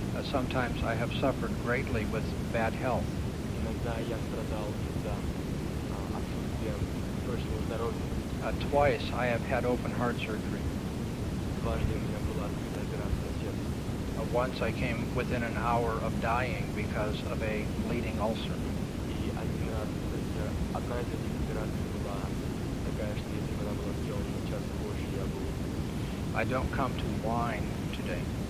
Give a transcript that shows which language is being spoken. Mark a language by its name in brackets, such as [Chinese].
[English] Sometimes I have suffered greatly with bad health. [Russian] Иногда я страдал из-за отсутствия прочного здоровья. [English] Twice I have had open heart surgery. [Russian] Дважды у меня была открытая операция сердца. [English] Once I came within an hour of dying because of a bleeding ulcer. [Russian] И одна из этих операций была такая, что если бы она была сделана час позже, я был. [English] I don't come to whine today.